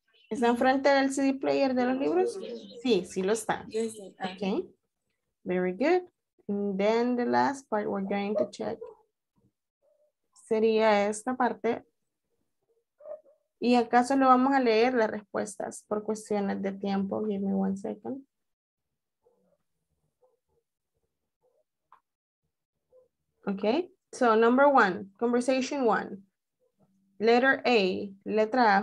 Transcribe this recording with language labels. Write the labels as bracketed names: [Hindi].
[Spanish] ¿Están frente del CD player de los libros? Sí, sí lo están. Okay. [English] Very good. And then the last part we're going to check. [Spanish] Sería esta parte. Y acaso lo vamos a leer las respuestas por cuestiones de tiempo. [English] Give me one second. Okay. So number one, conversation one. Letter A, [Spanish] letra A.